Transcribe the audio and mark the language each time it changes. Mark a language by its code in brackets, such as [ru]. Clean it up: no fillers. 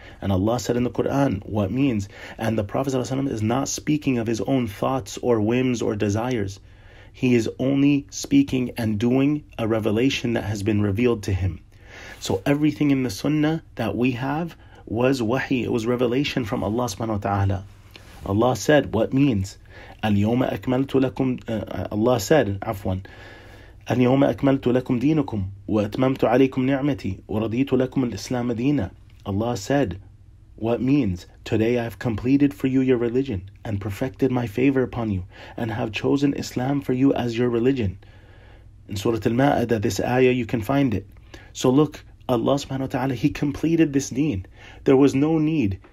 [en] And Allah said in the Quran what means, and the Prophet ﷺ is not speaking of his own thoughts or whims or desires. He is only speaking and doing a revelation that has been revealed to him. So everything in the Sunnah that we have was wahi, it was revelation from Allah subhanahu wa ta'ala. Allah said, what means? [ar] اليوم أكملت لكم, [en] Allah said, [ar] عفواً, اليوم أكملت لكم دينكم وأتممت عليكم نعمتي ورضيت لكم الإسلام دينا. [en] Allah said, what means? Today I have completed for you your religion and perfected my favor upon you and have chosen Islam for you as your religion. In Surah Al-Ma'idah, this ayah, you can find it. So look, Allah subhanahu wa ta'ala, He completed this deen. There was no need.